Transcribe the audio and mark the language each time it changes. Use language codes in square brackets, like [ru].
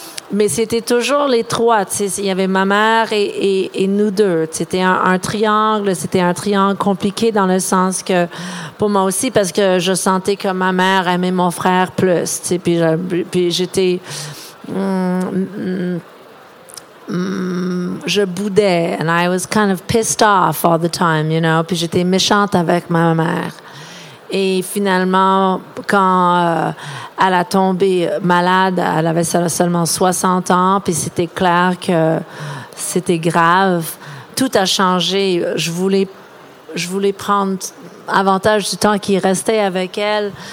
[fr] Mais c'était toujours les trois. Il y avait ma mère et nous deux. C'était un triangle. C'était un triangle compliqué dans le sens que, pour moi aussi, parce que je sentais que ma mère aimait mon frère plus. Puis j'étais... je boudais, [en] and I was kind of pissed off all the time, you know. [fr] Puis j'étais méchante avec ma mère. Et finalement, quand elle a tombé malade, elle avait seulement 60 ans, puis c'était clair que c'était grave. Tout a changé. Je voulais prendre avantage du temps qui restait avec elle.